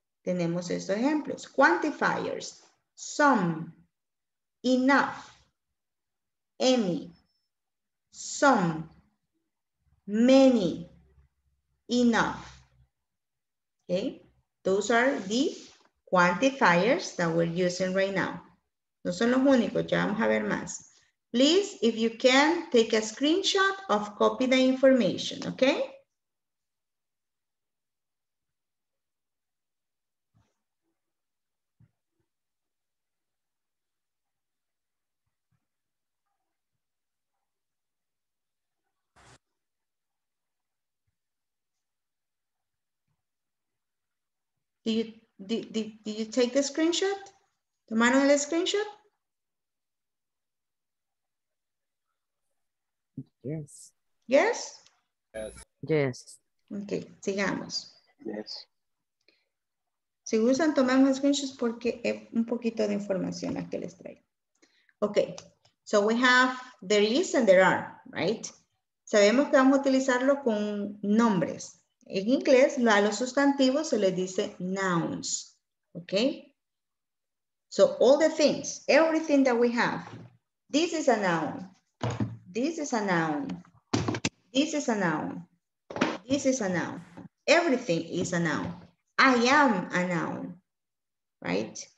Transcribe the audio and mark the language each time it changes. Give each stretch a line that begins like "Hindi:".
Spanish: Tenemos estos ejemplos.
English: Quantifiers. Some. Enough. Any. Some. Many. Enough. Okay. Those are the quantifiers that we're using right now.
Spanish: No son los únicos, ya vamos a ver más.
English: Please, if you can, take a screenshot of copy the information, okay? Did you take the screenshot?
Spanish: ¿Tomaron el screenshot?
English: Yes. Yes? Yes.
Spanish: Okay, sigamos.
English: Yes.
Spanish: Si gustan, tomamos screenshots porque es un poquito de información la que les traigo.
English: Okay, so we have there is and there are, right?
Spanish: Sabemos que vamos a utilizarlo con nombres. En inglés, a los sustantivos se les dice nouns.
English: Okay? So all the things, everything that we have, this is a noun. This is a noun. This is a noun. This is a noun. Everything is a noun. I am a noun, right?